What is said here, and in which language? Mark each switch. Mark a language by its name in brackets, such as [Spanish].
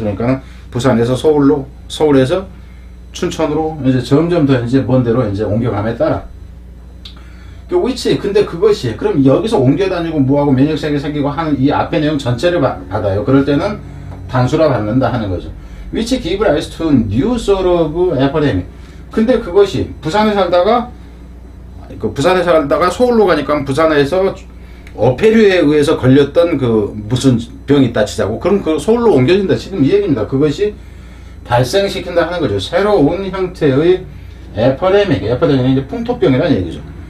[Korean] 그러니까 부산에서 서울로, 서울에서 춘천으로 이제 점점 더 이제 먼 데로 이제 옮겨감에 따라. which, 근데 그것이, 그럼 여기서 옮겨 다니고 뭐하고 면역체계 생기고 하는 이 앞에 내용 전체를 받아요. 그럴 때는 단수라 받는다 하는 거죠. [English] which give rise to new sort of epidemic. [Korean] 근데 그것이 부산에 살다가, 그 부산에 살다가 서울로 가니까 부산에서 어패류에 의해서 걸렸던 그 무슨 병이 있다 치자고. 그럼 그 서울로 옮겨진다. 지금 이 얘기입니다. 그것이 발생시킨다 하는 거죠. 새로운 형태의 에퍼데믹. 에퍼데믹은 이제 풍토병이라는 얘기죠.